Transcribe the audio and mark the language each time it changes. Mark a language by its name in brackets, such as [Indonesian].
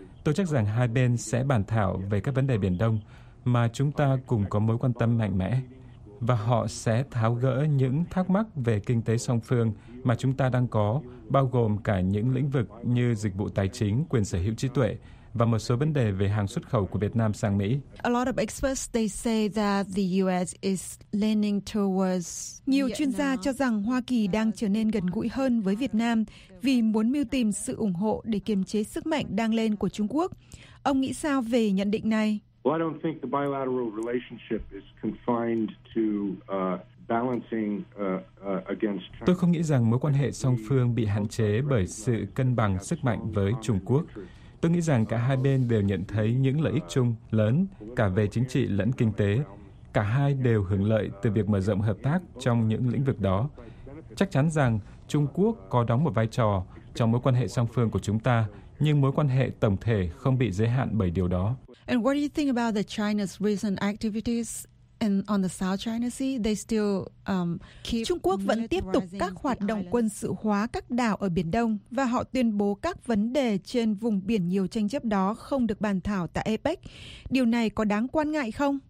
[Vietnamese] Tôi chắc rằng hai bên sẽ bàn thảo về các vấn đề Biển Đông mà chúng ta cùng có mối quan tâm mạnh mẽ. Và họ sẽ tháo gỡ những thắc mắc về kinh tế song phương mà chúng ta đang có, bao gồm cả những lĩnh vực như dịch vụ tài chính, quyền sở hữu trí tuệ và một số vấn đề về hàng xuất khẩu của Việt Nam sang Mỹ. [English] A lot of experts they say that the US is leaning towards. [Vietnamese] Nhiều chuyên gia cho rằng Hoa Kỳ đang trở nên gần gũi hơn với Việt Nam vì muốn mưu tìm sự ủng hộ để kiềm chế sức mạnh đang lên của Trung Quốc. Ông nghĩ sao về nhận định này? [English] Well, I don't think the bilateral relationship is confined to balancing against China. [Vietnamese] Tôi không nghĩ rằng mối quan hệ song phương bị hạn chế bởi sự cân bằng sức mạnh với Trung Quốc. Tôi nghĩ rằng cả hai bên đều nhận thấy những lợi ích chung lớn cả về chính trị lẫn kinh tế. Cả hai đều hưởng lợi từ việc mở rộng hợp tác trong những lĩnh vực đó. Chắc chắn rằng Trung Quốc có đóng một vai trò trong mối quan hệ song phương của chúng ta, nhưng mối quan hệ tổng thể không bị giới hạn bởi điều đó. [English] And what do you think about the China's recent activities on the South China Sea? They still keep [Vietnamese] Trung Quốc vẫn tiếp tục các hoạt động quân sự hóa các đảo ở Biển Đông và họ tuyên bố các vấn đề trên vùng biển nhiều tranh chấp đó không được bàn thảo tại APEC. Điều này có đáng quan ngại không?